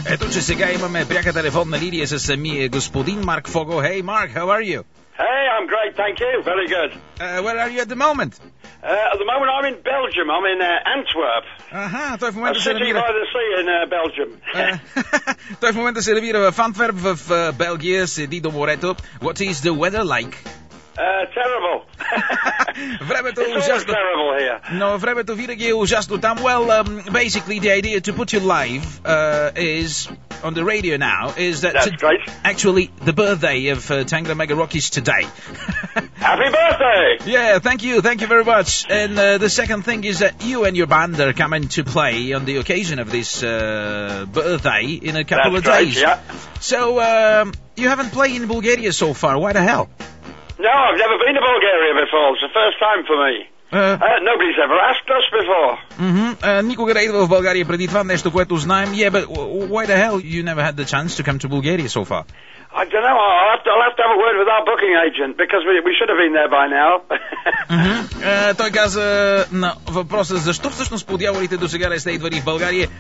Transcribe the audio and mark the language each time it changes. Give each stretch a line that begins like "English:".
Bulgarian: Ето, че сега имаме пряка телефонна линия с самия господин Марк Фого.
English: Hey, Mark, how are you? Hey, I'm great, thank you. Very good. Where are you at the moment? At the moment, I'm in Belgium. I'm in Antwerp.
Bulgarian: Aha, той в момента се намира...
English: A city by the sea in Belgium.
Bulgarian: Той в момента се намира в Антверп, в Белгия, седи до морето.
English: What is the weather like? Terrible.
Bulgarian: Времето е ужасно.
English: It's always terrible here.
Bulgarian: Но времето винаги е ужасно там.
English: Well, basically, the idea to put you live is... on the radio now is that That's great. Actually the birthday of Tangra Mega Rock is today. Happy birthday! Yeah, thank you very much. And the second thing is that you and your band are coming to play on the occasion of this birthday in a couple That's of great, days. Yeah. So you haven't played in Bulgaria so far, why the hell? No, I've never been to Bulgaria before, it's the first time for me. Nobody's ever asked us before. Mm-hmm.
Bulgarian: Никога не е идвал в България преди това, нещо, което знаем.
English: Yeah, but why the hell you never had the chance to come to Bulgaria so far? I don't know. I'll have to have a word with our booking agent, because we should have been there by now. Mm-hmm.
Bulgarian: Той каза на въпроса, защо всъщност по дяволите до сега не сте идвали в България?